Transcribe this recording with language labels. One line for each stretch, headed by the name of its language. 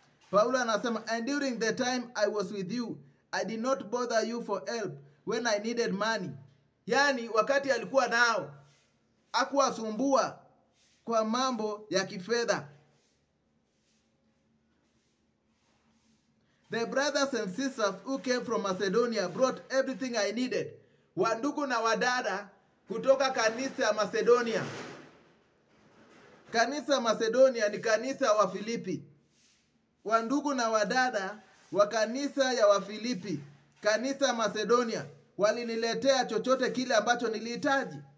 Swahili: Paulo anasema,
English: and during the time I was with you, I did not bother you for help when I needed money.
Swahili: Yani wakati alikuwa nao, hakuwasumbua kwa mambo ya kifedha.
English: The brothers and sisters who came from Macedonia brought everything I needed.
Swahili: Wandugu na wadada kutoka kanisa Macedonia. Kanisa Macedonia ni kanisa wa Filipi. Wandugu na wadada wa kanisa ya Wafilipi, kanisa Macedonia, waliniletea chochote kile ambacho nilihitaji.